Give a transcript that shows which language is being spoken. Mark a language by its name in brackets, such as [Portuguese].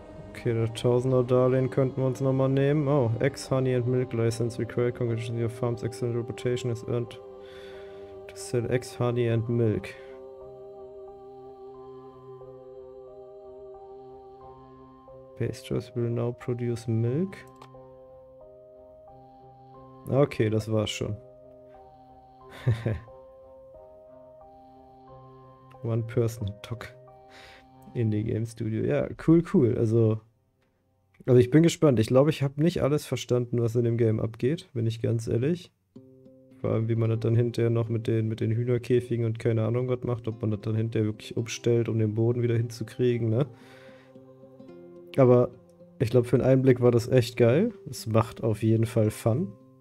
[German] Okay, das Tausender-Darlehen könnten wir uns nochmal nehmen. [English] Oh, Eggs, Honey and Milk License required. Congratulations, your farm's excellent reputation is earned to sell Eggs, Honey and Milk. Pastures will now produce milk. [German] Okay, das war's schon. [English] One person talk in the Game Studio. [German] Ja, cool. Also ich bin gespannt. Ich glaube, ich habe nicht alles verstanden, was in dem Game abgeht, bin ich ganz ehrlich. Vor allem, wie man das dann hinterher noch mit den Hühnerkäfigen und keine Ahnung was macht, ob man das dann hinterher wirklich umstellt, um den Boden wieder hinzukriegen, ne? Aber ich glaube, für den Einblick war das echt geil. Es macht auf jeden Fall Fun.